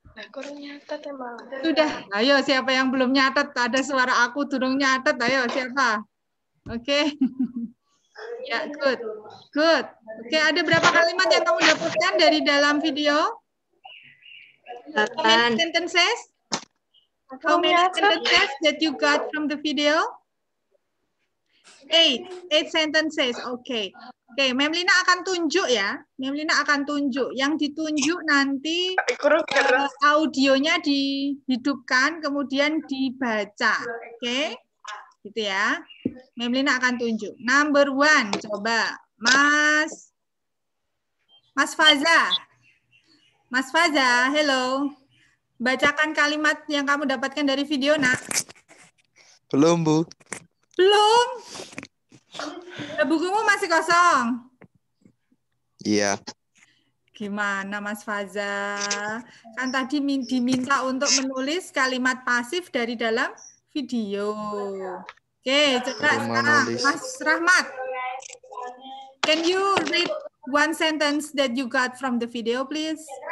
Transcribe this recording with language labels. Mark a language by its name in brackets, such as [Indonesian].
[Indonesian] Aku nyatet emang. Sudah. Ayo siapa yang belum nyatet? Ada suara aku durung nyatet. Ayo siapa? Oke. [English] Okay. Ya, good. Good. [Indonesian] Oke, okay, ada berapa kalimat yang kamu dapatkan dari dalam video? 8. [English] How many sentences? How many sentences that you got from the video? 8 sentences, okay. Okay, [Indonesian] Memlina akan tunjuk ya. Memlina akan tunjuk. Yang ditunjuk nanti audionya dihidupkan, kemudian dibaca. Okay, gitu ya. Memlina akan tunjuk. [English] Number one, [Indonesian] coba. Mas Faza. Mas Faza, hello. Bacakan kalimat yang kamu dapatkan dari video, nak. Belum, Bu. Belum? Bukumu masih kosong? Iya. Gimana Mas Faza? Kan tadi diminta untuk menulis kalimat pasif dari dalam video. Oke, coba sekarang. Mas Rahmat. [English] Can you read one sentence that you got from the video, please?